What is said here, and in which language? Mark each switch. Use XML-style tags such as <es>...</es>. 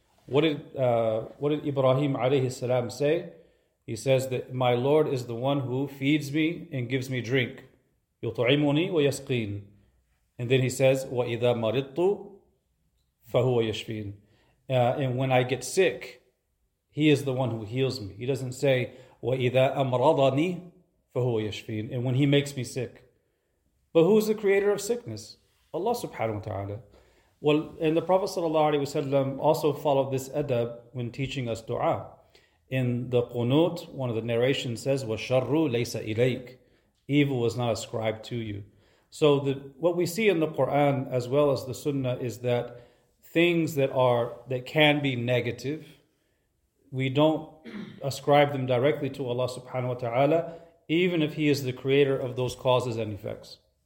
<en>What did Ibrahim alayhi salam say? He says that my Lord is the one who feeds me and gives me drink.</en> <ar>يُطْعِمُنِي وَيَسْقِينَ.</ar> <en>And then he says,</en> <ar>وَإِذَا مَرِضْتُ فَهُوَ يَشْفِينَ.</ar> <en>And when I get sick, he is the one who heals me. He doesn't say,</en> <ar>وَإِذَا أَمْرَضَنِي فَهُوَ يَشْفِينَ.</ar> <en>And when he makes me sick. But who is the creator of sickness? Allah subhanahu wa ta'ala. Well, and the Prophet sallallahu alaihi wasallam also followed this adab when teaching us dua. In the Qunut, one of the narrations says,</en> <ar>وَشَرُّ لَيْسَ إِلَيْكَ.</ar> <en>Evil was not ascribed to you. So what we see in the Quran as well as the Sunnah is that things that can be negative, we don't ascribe them directly to Allah subhanahu wa ta'ala, even if He is the creator of those causes and effects.</en>